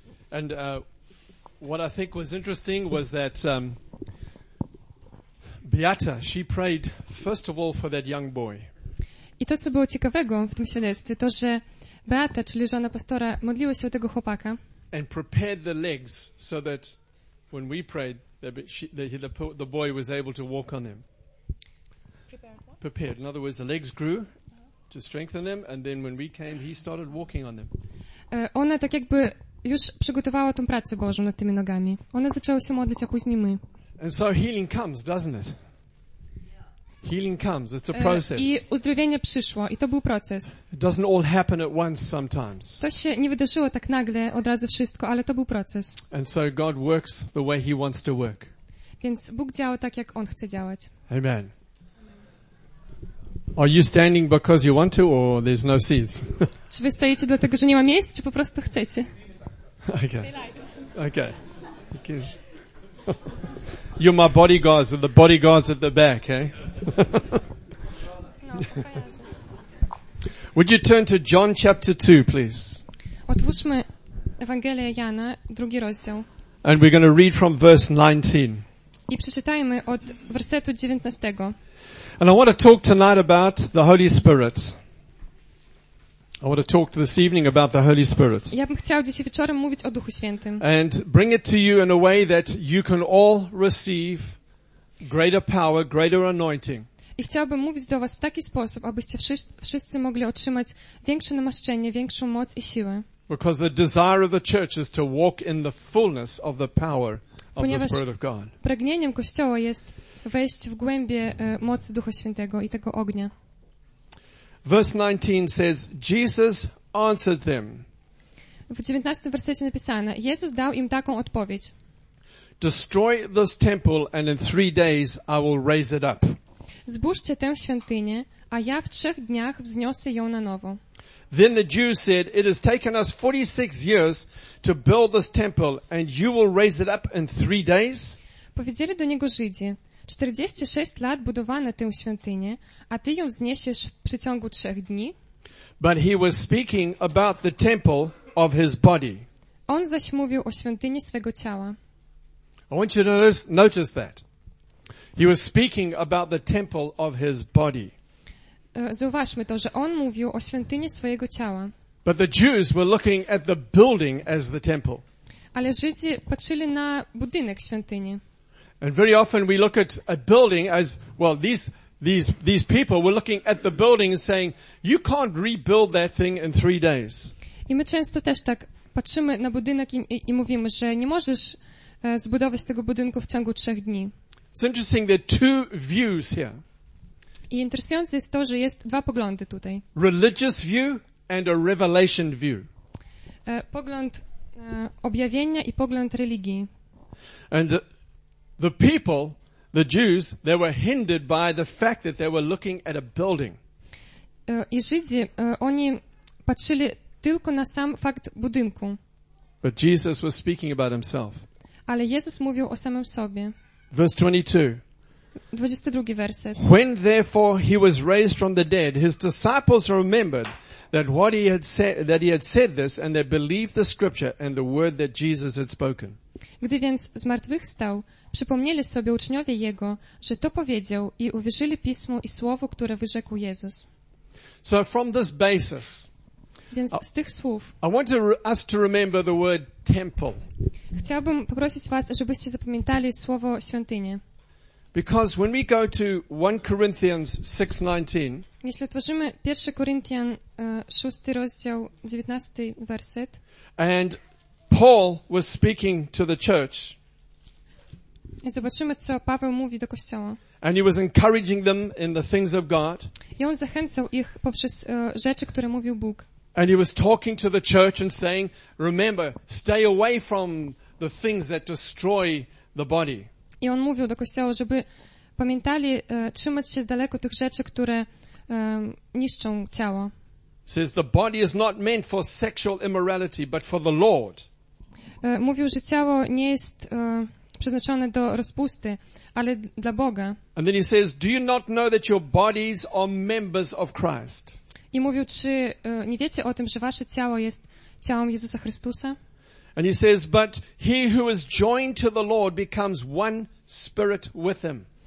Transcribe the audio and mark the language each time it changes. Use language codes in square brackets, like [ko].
[en] And what I think was interesting was that Beata, she prayed first of all for that young boy. [pl] I to, co było ciekawego w tym świadectwie, to, że Beata, czyli żona pastora, modliła się o tego chłopaka. [en] And prepared the legs so that when we prayed, the boy was able to walk on them. Prepared. In other words, the legs grew to strengthen them, and then when we came, he started walking on them. [pl] Ona tak jakby już przygotowała tą pracę Bożą nad tymi nogami. Ona zaczęła się modlić, a później my. [en] And so healing comes, doesn't it? Healing comes. It's a process. [pl] I uzdrowienie przyszło, i to był proces. [en] It doesn't all happen at once sometimes. [pl] To się nie wydarzyło tak nagle, od razu wszystko, ale to był proces. [en] And so God works the way He wants to work. [pl] Więc Bóg działa tak, jak On chce działać. [en] Amen. Are you standing because you want to, or there's no seats? [pl] Czy wy stoicie dlatego, że nie ma miejsc, czy po prostu chcecie? [en] Okay. You're my bodyguards, the bodyguards at the back, eh? Would you turn to John chapter 2, please? [pl] Otwórzmy Ewangelię Jana, drugi rozdział. [en] And we're going to read from verse 19. [pl] I przeczytajmy od wersetu 19. [en] And I want to talk tonight about the Holy Spirit. I want to talk this evening about the Holy Spirit. [pl] Ja bym chciał dzisiaj wieczorem mówić o Duchu Świętym. [en] And bring it to you in a way that you can all receive greater power, greater anointing. [pl] I chciałbym mówić do was w taki sposób, abyście wszyscy mogli otrzymać większe namaszczenie, większą moc i siłę. [en] Because the desire of the church is to walk in the fullness of the power of the Spirit of God. [pl] Ponieważ pragnieniem Kościoła jest wejść w głębie mocy Ducha Świętego i tego ognia. [en] Verse 19 says, Jesus answered them. [pl] W 19 wersecie napisane, Jezus dał im taką odpowiedź. [en] Destroy this temple and in 3 days I will raise it up. [pl] Zburzcie tę świątynię, a ja w 3 dniach wzniosę ją na nowo. [en] Then the Jews said, it has taken us 46 years to build this temple and you will raise it up in 3 days? [pl] Powiedzieli do niego Żydzi, 46 lat budowano tę świątynię, a ty ją zniesiesz w przeciągu 3 dni? [en] But he was speaking about the temple of his body. [pl] On zaś mówił o świątyni swego ciała. [en] I want you to notice that. He was speaking about the temple of his body. [pl] Zauważmy to, że on mówił o świątyni swojego ciała. [en] But the Jews were looking at the building as the temple. [pl] Ale Żydzi patrzyli na budynek świątyni. [en] And very often we look at a building as, well, these people were looking at the building and saying, you can't rebuild that thing in 3 days. [pl] I my często też tak patrzymy na budynek i mówimy, że nie możesz zbudować tego budynku w ciągu 3 dni. [en] It's interesting, there are 2 views here. [pl] I interesujące jest to, że jest 2 poglądy tutaj. [en] Religious view and a revelation view. [pl] Pogląd objawienia i pogląd religii. [en] And the people, the Jews, they were hindered by the fact that they were looking at a building. [pl] I Żydzi, oni patrzyli tylko na sam fakt budynku. [en] But Jesus was speaking about himself. [pl] Ale Jezus mówił o samym sobie. [en] Verse 22. [pl] 22 werset. [en] When therefore he was raised from the dead, his disciples remembered that what he had said, that he had said this, and they believed the scripture and the word that Jesus had spoken. [pl] Gdy więc zmartwychwstał, przypomnieli sobie uczniowie Jego, że to powiedział i uwierzyli Pismu i Słowu, które wyrzekł Jezus. [en] So from this basis, [pl] więc z tych słów [en] I want us to remember the word temple. [pl] Chciałbym poprosić was, żebyście zapamiętali słowo świątynię. [en] Because when we go to 1 Corinthians 6:19, [pl] jeśli otworzymy 1 Koryntian 6 rozdział 19 werset, [en] and Paul was speaking to the church. [pl] I zobaczymy, co Paweł mówi do kościoła. [en] And he was encouraging them in the things of God. [pl] I on zachęcał ich poprzez rzeczy, które mówił Bóg. [en] And he was talking to the church and saying, remember, stay away from the things that destroy the body. [pl] I on mówił do kościoła, żeby pamiętali trzymać się z daleko tych rzeczy, które niszczą ciało. [en] Says the body is not meant for sexual immorality, but for the Lord. [pl] Mówił, że ciało nie jest przeznaczone do rozpusty, ale dla Boga. [en] And then he says, do you not know that your bodies are members of Christ? [pl] I mówił, czy nie wiecie o tym, że wasze ciało jest ciałem Jezusa Chrystusa? [en] And he says, but he who is joined to the Lord becomes one spirit with him.